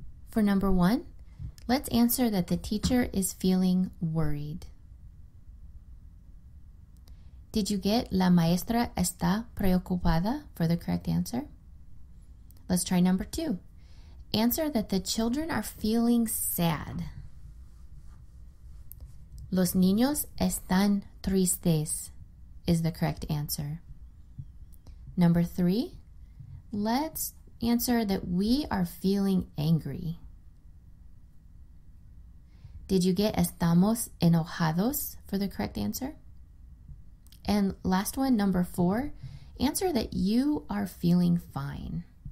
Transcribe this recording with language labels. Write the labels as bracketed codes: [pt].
[en] For number one, let's answer that the teacher is feeling worried. Did you get [es] la maestra está preocupada [en] for the correct answer? Let's try number two. Answer that the children are feeling sad. [es] Los niños están tristes [en] is the correct answer. Number three, let's answer that we are feeling angry. Did you get [es] estamos enojados [en] for the correct answer? And last one, number four, answer that you are feeling fine.